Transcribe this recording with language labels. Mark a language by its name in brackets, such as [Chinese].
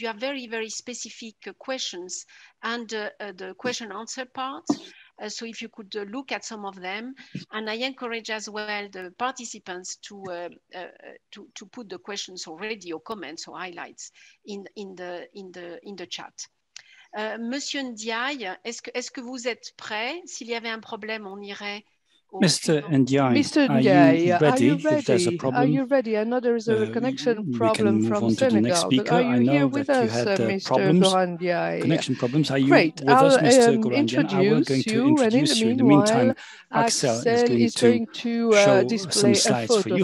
[English] You have very, very specific questions and the question answer part. So if you could look at some of them, and I encourage as well the participants to put the questions already or comments or highlights in the chat. [French] Monsieur Ndiaye, est-ce que vous êtes prêt? S'il y avait un problème, on irait [English] Mr. NDIAYE, are you ready? If there's a problem, are you ready? I know there is a reconnection problem from Senegal. But are you here with us, Mr. Gorandiaye? Connection problems. Are you with us, Mr. Gorandiaye? I'm going to introduce you. In the meantime, Axel is going to show some slides for you.